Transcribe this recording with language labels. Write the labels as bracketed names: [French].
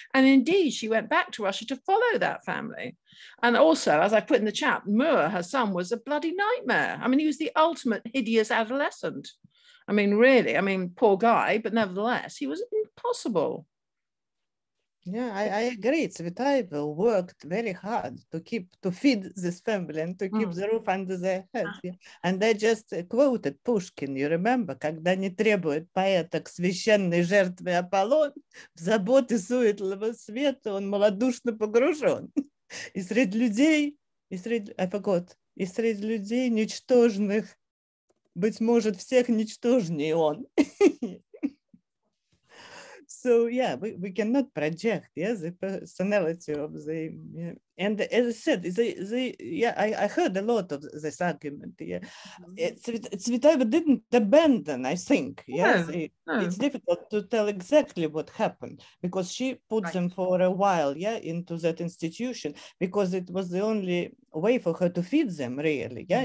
[English] And indeed, she went back to Russia to follow that family. And also, as I put in the chat, Moore, her son, was a bloody nightmare. I mean, he was the ultimate hideous adolescent. I mean, really, I mean, poor guy, but nevertheless, he was impossible. Yeah, I agree. Tsvetaeva worked very hard to feed this family and to keep the roof under their heads. Yeah. And I just quoted Pushkin, you remember, [Russian] когда не требует поэта к священной жертве Аполлон, в заботы суетного света он малодушно погружен. И среди людей, и среди людей ничтожных, быть может, всех ничтожнее он. [English] So yeah, we cannot project, yeah, the personality of the, yeah. And as I said, I heard a lot of this argument, yeah. Mm-hmm. Tsvetaeva didn't abandon, I think, yes. No. It's difficult to tell exactly what happened because she put them for a while, yeah, into that institution because it was the only way for her to feed them, really, yeah.